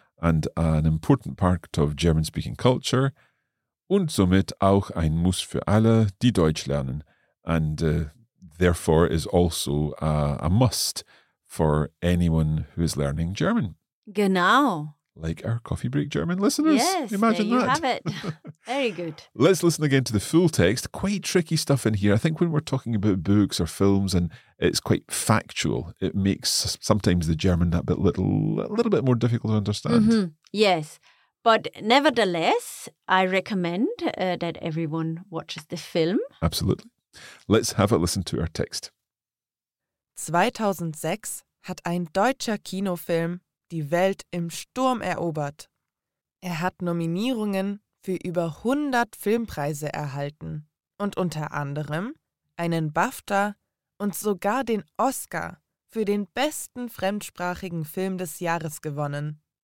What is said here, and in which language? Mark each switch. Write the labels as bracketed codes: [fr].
[en] And an important part of German-speaking culture. [de] Und somit auch ein Muss für alle, die Deutsch lernen. [en] And therefore is also a must for anyone who is learning German. [de] Genau. [en] Like our Coffee Break German listeners. Yes, imagine there you that. Have it. Very good. Let's listen again to the full text. Quite tricky stuff in here. I think when we're talking about books or films and it's quite factual, it makes sometimes the German that bit a little bit more difficult to understand. Mm-hmm. Yes, but nevertheless, I recommend that everyone watches the film. Absolutely. Let's have a listen to our text. [de] 2006 hat ein deutscher Kinofilm die Welt im Sturm erobert. Er hat Nominierungen für über 100 Filmpreise erhalten und unter anderem einen BAFTA und sogar den Oscar für den besten fremdsprachigen Film des Jahres gewonnen.